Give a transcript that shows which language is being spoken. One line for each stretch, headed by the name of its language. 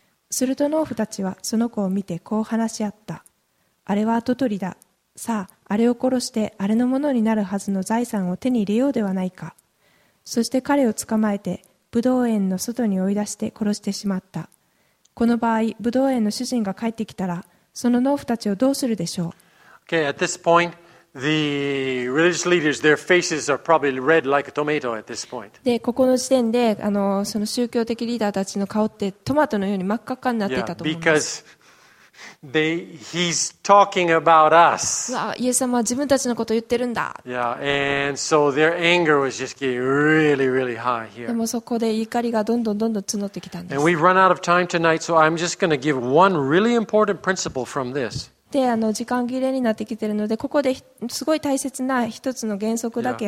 Japanese: すると農夫たちはその子を見てこう話し合った。あれは跡取りだ。さあ、あれを殺してあれのものになるはずの財産を手に入れようではないか。そして彼を捕まえてブドウ園の外に追い出して殺してしまった。この場合ブドウ園の主人が帰ってきたら、その農夫たちをどうするでしょう。
English: Okay, at this point, the religious leaders, their faces are probably red like a tomato at this point.
Japanese: で、ここの時点で、その宗教的リーダーたちの顔ってトマトのように真っ赤っかになっていたと思います。
English: Yeah, because he's talking about us.
Japanese: イエス様は自分たちのことを言ってるんだ。
English: Yeah, and so their anger was just getting really, really high here.
Japanese: でもそこで怒りがどんどん募ってきたんです。
English: And we run out of time tonight, so I'm just going to give one really important principle from this.
Japanese: で、時間切れになってきているので、ここですごい大切な一つの原則だけ